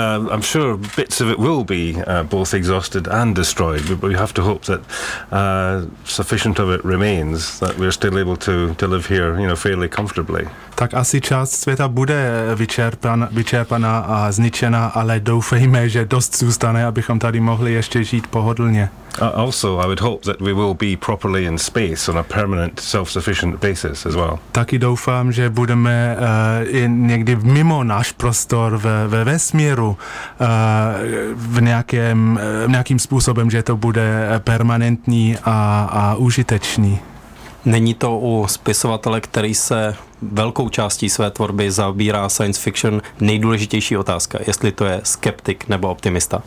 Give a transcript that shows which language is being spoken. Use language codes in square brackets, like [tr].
[en] I'm sure bits of it will be both exhausted and destroyed, but we have to hope that sufficient of it remains, that we're still able to live here, you know, fairly comfortably. [cs] Tak asi část světa bude vyčerpaná a zničená, ale doufejme, že dost zůstane, abychom tady mohli ještě žít pohodlně. [en] Also, I would hope that we will be properly in space on a permanent self-sufficient basis as well. [cs] Taky doufám, že budeme i někdy mimo náš prostor ve vesmíru v nějakým způsobem, že to bude permanentní a užitečný. Není to u spisovatele, který se velkou částí své tvorby zabírá science fiction, nejdůležitější otázka, jestli to je skeptik nebo optimista?